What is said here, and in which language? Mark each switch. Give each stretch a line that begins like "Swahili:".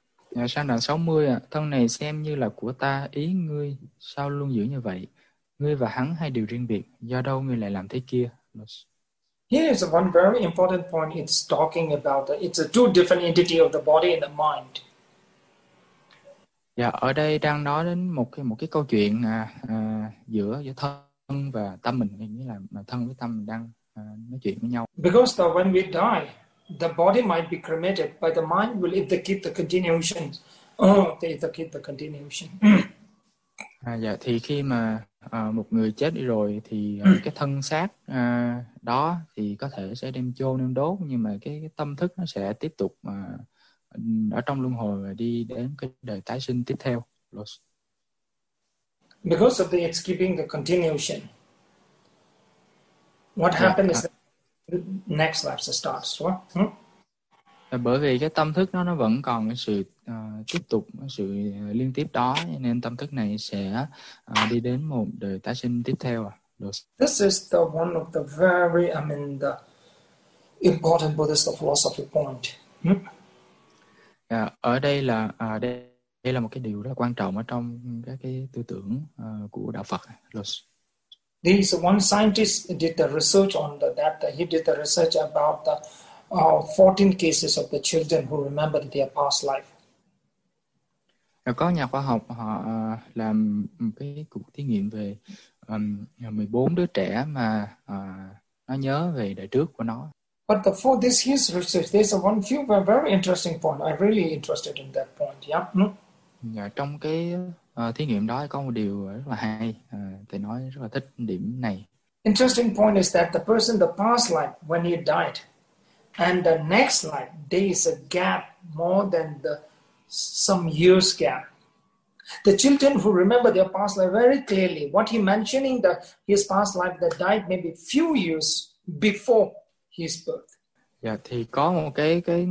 Vietnamese: Dạ, sang đoạn 60 à, thân này xem như là của ta, ý ngươi sao luôn giữ như vậy? Ngươi và hắn hay điều riêng biệt, do đâu ngươi lại làm thế kia?
English: Here is one very important point. It's talking about that it's a two different entity of the body and the mind.
Vietnamese: Dạ, ở đây đang nói đến một cái câu chuyện giữa thân và tâm mình, nghĩa là thân với tâm đang nói chuyện với nhau.
English: Because though, when we die, the body might be cremated, but the mind will if they keep the continuation. Oh, if they keep the continuation.
Vietnamese: Dạ, thì khi mà một người chết đi rồi thì cái thân xác đó thì có thể sẽ đem chôn, đem đốt, nhưng mà cái tâm thức nó sẽ tiếp tục ở trong luân hồi và đi đến cái đời tái sinh tiếp theo.
English: Because of the it's keeping the continuation. What happened is that next life starts. What?
Vietnamese: Bởi vì cái tâm thức nó vẫn còn cái sự tiếp tục, cái sự liên tiếp đó, nên tâm thức này sẽ đi đến một đời tái sinh tiếp theo.
English: This is the one of the very, I mean, the important Buddhist philosophy point.
Vietnamese: Ở đây là đây là một cái điều rất là quan trọng ở trong cái tư tưởng của đạo Phật.
English: This one scientist did the research on that he did the research about the 14 cases of the children who remembered their past life.
Vietnamese: Có nhà khoa học họ làm cái cuộc thí nghiệm về 14 đứa trẻ mà nó nhớ về đời trước của nó.
English: But before this, his research, there's one few very interesting point. I'm really interested in that point.
Vietnamese: Dạ, trong cái thí nghiệm đó có một điều rất là hay. Thầy nói rất là thích điểm này.
English: Interesting point is that the person, the past life, when he died, and the next life, there is a gap more than some years gap. The children who remember their past life very clearly, what he mentioning that his past life that died maybe few years before his birth.
Vietnamese: Dạ, thì có một cái